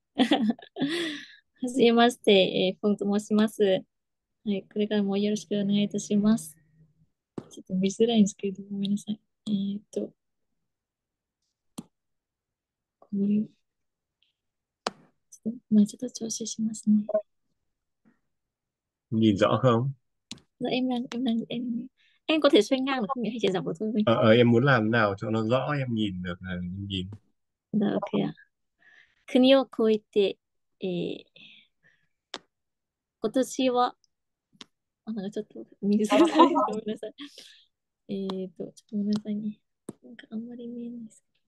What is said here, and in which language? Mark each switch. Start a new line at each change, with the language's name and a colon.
Japanese: はじめまして、フォンと申します。はい、これからもよろしくお願いいたします。ちょっと見づらいんですけど、ごめんなさい。これ、まあ、ちょっと調整しますね。
Chinese: 你早上？
Vietnamese: Em có thể xuyên ngang được không nhỉ? Hay chỉ giảm một thôi mình? Em muốn làm nào cho nó rõ, em nhìn được là nhìn. Đó, ok ạ.
Japanese: 国を越えて、今年は、あ、なんかちょっと見づらい。ごめんなさい。ちょっとごめんなさいね。なんかあんまり見えないです。